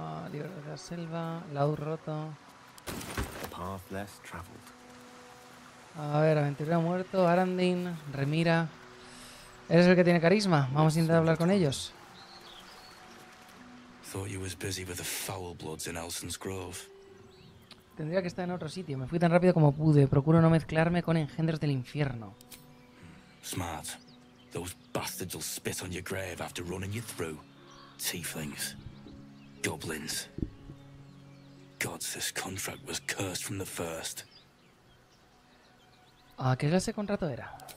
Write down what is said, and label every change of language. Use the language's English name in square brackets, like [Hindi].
[Spanish] Libro de la selva, laúd roto. [English] Path less traveled. [Spanish] A ver, aventurero muerto, Arandín, Remira. Eres el que tiene carisma. Vamos a intentar hablar con ellos. [English] Thought you was busy with the foul bloods in Elson's Grove. [Spanish] Tendría que estar en otro sitio. Me fui tan rápido como pude. Procuro no mezclarme con engendros del infierno. [English] Smart. Those bastards will spit on your grave after running you through. Tieflings. Goblins. Gods, this contract was cursed from the first. [Spanish] Ah, ¿qué clase de contrato era?